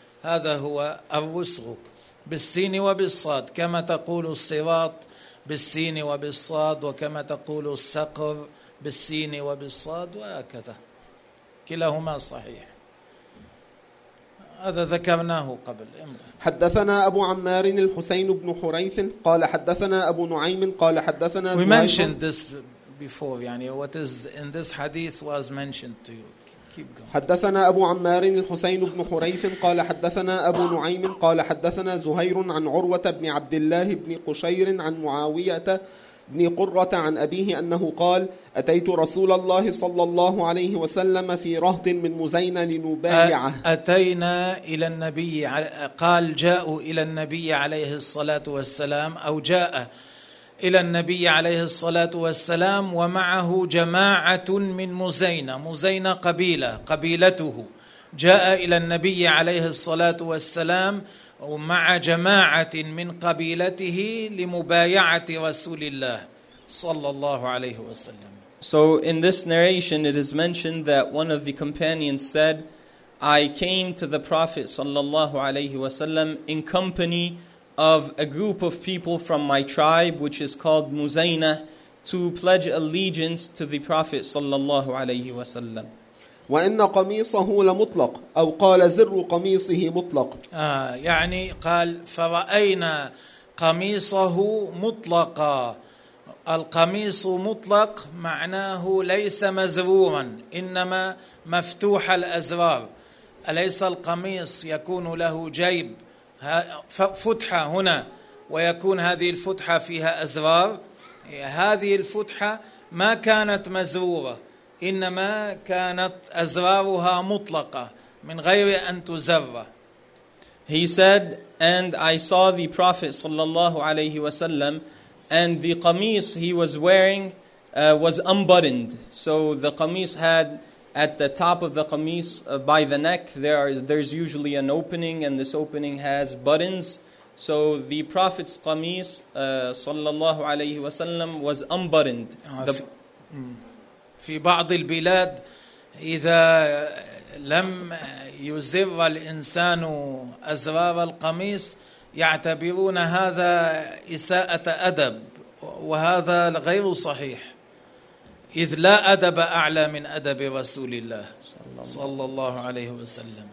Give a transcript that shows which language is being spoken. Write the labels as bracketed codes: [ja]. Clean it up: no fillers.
[ar] هذا هو الوسغ بالسين وبالصاد، كما تقول الصراط بالسين وبالصاد، وكما تقول السقر بالسين وبالصاد، وهكذا كلاهما صحيح. هذا ذكرناه قبل. حدثنا أبو عمار الحسين بن حريث قال حدثنا أبو نعيم قال حدثنا [en] زهير. We mentioned this before. يعني what is in this hadith was mentioned to you. Keep going. [ar] حدثنا أبو عمار الحسين بن حريث قال حدثنا أبو نعيم قال حدثنا زهير عن عروة بن عبد الله بن قشير عن معاوية بن قرة عن أبيه أنه قال أتيت رسول الله صلى الله عليه وسلم في رهط من مزينة لنبايعه. أتينا إلى النبي، قال جاءوا إلى النبي عليه الصلاة والسلام، أو جاء إلى النبي عليه الصلاة والسلام ومعه جماعة من مزينة. مزينة قبيلة، قبيلته، جاء إلى النبي عليه الصلاة والسلام ومع جماعة من قبيلته لمبايعة رسول الله صلى الله عليه وسلم. [en] So in this narration, it is mentioned that one of the companions said, I came to the Prophet sallallahu alayhi wasallam in company of a group of people from my tribe, which is called Muzayna, to pledge allegiance to the Prophet sallallahu alayhi wasallam. [ar] وَإِنَّ قَمِيصَهُ لَمُطْلَقُ أَوْ قَالَ زِرُّ قَمِيصِهِ مُطْلَقُ. يعني قال فَرَأَيْنَا قَمِيصَهُ مُطْلَقًا. القميص مطلق معناه ليس مزروعا، إنما مفتوح الأزرار. أليس القميص يكون له جيب فتحة هنا، ويكون هذه الفتحة فيها أزرار؟ هذه الفتحة ما كانت مزروعة، إنما كانت أزرارها مطلقة من غير أن تزر. [en] He said, and I saw the Prophet [ar] صلى الله عليه وسلم, [en] and the qamis he was wearing was unbuttoned. So the qamis had, at the top of the qamis, by the neck, there's usually an opening, and this opening has buttons. So the Prophet's qamis, sallallahu alayhi wa sallam, was unbuttoned. [ar] في بعض البلاد إذا لم يزر الإنسان أزرار القميص يعتبرون هذا إساءة أدب، وهذا غير صحيح، إذ لا أدب أعلى من أدب رسول الله صلى الله عليه وسلم.